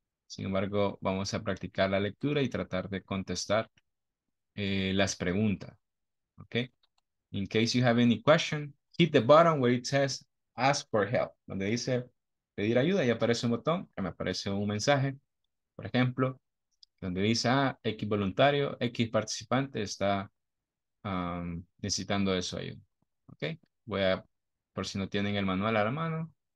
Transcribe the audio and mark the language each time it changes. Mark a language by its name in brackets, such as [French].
[Spanish] Sin embargo, vamos a practicar la lectura y tratar de contestar las preguntas. [English] Okay? In case you have any question, hit the button where it says ask for help. [Spanish] Donde dice pedir ayuda, y aparece un botón, y me aparece un mensaje. Por ejemplo, donde dice X voluntario, X participante está necesitando de su ayuda. Okay? Voy a, por si no tienen el manual a la mano.